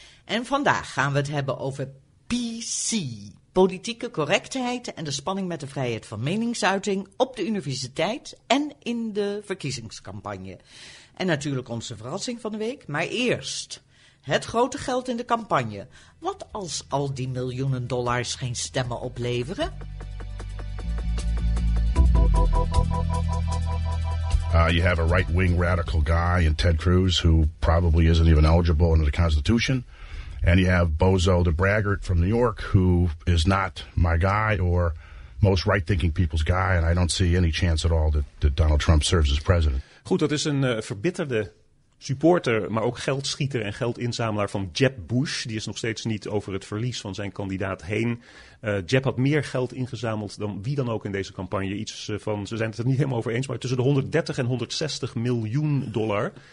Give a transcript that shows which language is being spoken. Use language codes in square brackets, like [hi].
[nl] En vandaag gaan we het hebben over PC, politieke correctheid en de spanning met de vrijheid van meningsuiting op de universiteit en in de verkiezingscampagne. En natuurlijk onze verrassing van de week, maar eerst het grote geld in de campagne. Wat als al die miljoenen dollars geen stemmen opleveren? [en] You have a right-wing radical guy in Ted Cruz who probably isn't even eligible under the Constitution. And you have Bozo the Braggart from New York who is not my guy or most right-thinking people's guy. And I don't see any chance at all that Donald Trump serves as president. [nl] Goed, dat is een verbitterde supporter, maar ook geldschieter en geldinzamelaar van Jeb Bush. Die is nog steeds niet over het verlies van zijn kandidaat heen. Jeb had meer geld ingezameld dan wie dan ook in deze campagne. Iets van, ze zijn het er niet helemaal over eens, maar tussen de 130 en 160 miljoen dollar.